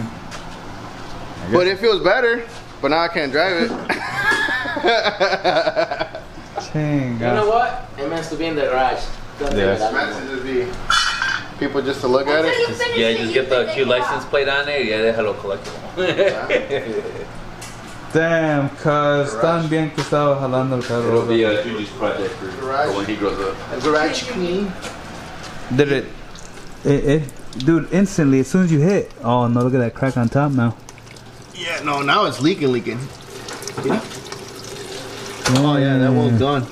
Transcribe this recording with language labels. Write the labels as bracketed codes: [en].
[en] I but it feels better, but now I can't drive it. [es] Chinga. [en] You know what? It meant to be in the garage. Yes. It meant to be people just to look at it. Just get the cute license plate on it. Yeah, [es] déjalo [en] collectible. Damn, cuz [es] tan bien que estaba jalando el carro. [en] It'll be a Julie's project for when he grows up. A garage clean. Did it? Dude, instantly, as soon as you hit. Oh, no, look at that crack on top now. Yeah, no, now it's leaking. Yeah. Oh, yeah, that weld's gone.